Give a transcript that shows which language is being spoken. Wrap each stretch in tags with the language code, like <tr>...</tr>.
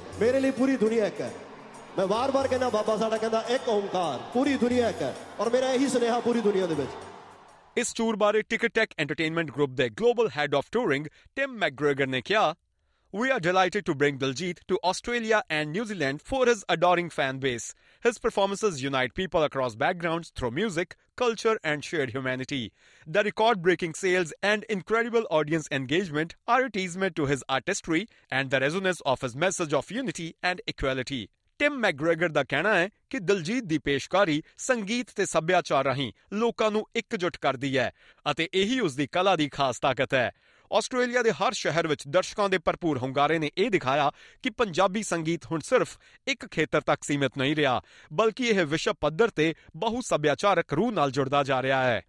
<pa>ਮੇਰੇ ਲਈ ਪੂਰੀ ਦੁਨੀਆ ਇੱਕ ਹੈ। ਮੈਂ ਵਾਰ ਵਾਰ ਕਹਿੰਦਾ ਬਾਬਾ ਸਾਡਾ ਕਹਿੰਦਾ ਇੱਕ ਓਂਕਾਰ, ਪੂਰੀ ਦੁਨੀਆ ਇੱਕ ਹੈ, ਔਰ ਮੇਰਾ ਇਹੀ ਸੁਨੇਹਾ ਪੂਰੀ ਦੁਨੀਆ ਦੇ ਵਿੱਚ। ਇਸ ਟੂਰ ਬਾਰੇ ਟਿਕਟ ਟੈਕ ਐਂਟਰਟੇਨਮੈਂਟ ਗਰੁੱਪ ਦੇ global head of touring Tim MacGregor ਨੇ ਕਿਹਾ,</pa> <en>We are delighted to bring Diljit to Australia and New Zealand for his adoring fan base. His performances unite people across backgrounds through music, culture and shared humanity. The record-breaking sales and incredible audience engagement are a testament to his artistry and the resonance of his message of unity and equality.</en> <pa>Tim MacGregor ਦਾ ਕਹਿਣਾ ਹੈ ਕਿ ਦਿਲਜੀਤ ਦੀ ਪੇਸ਼ਕਾਰੀ ਸੰਗੀਤ ਤੇ ਸੱਭਿਆਚਾਰ ਰਾਹੀਂ ਲੋਕਾਂ ਨੂੰ ਇਕਜੁੱਟ ਕਰਦੀ ਹੈ ਅਤੇ ਇਹੀ ਉਸਦੀ ਕਲਾ ਦੀ ਖਾਸ ਤਾਕਤ ਹੈ। ਆਸਟ੍ਰੇਲੀਆ ਦੇ ਹਰ ਸ਼ਹਿਰ ਵਿੱਚ ਦਰਸ਼ਕਾਂ ਦੇ ਭਰਪੂਰ ਹੁੰਗਾਰੇ ਨੇ ਇਹ ਦਿਖਾਇਆ ਕਿ ਪੰਜਾਬੀ ਸੰਗੀਤ ਹੁਣ ਸਿਰਫ ਇੱਕ ਖੇਤਰ ਤੱਕ ਸੀਮਿਤ ਨਹੀਂ ਰਿਹਾ, ਬਲਕਿ ਇਹ ਵਿਸ਼ਵ ਪੱਧਰ ਤੇ ਬਹੁ ਸੱਭਿਆਚਾਰਕ ਰੂਹ ਨਾਲ ਜੁੜਦਾ ਜਾ ਰਿਹਾ ਹੈ।</pa>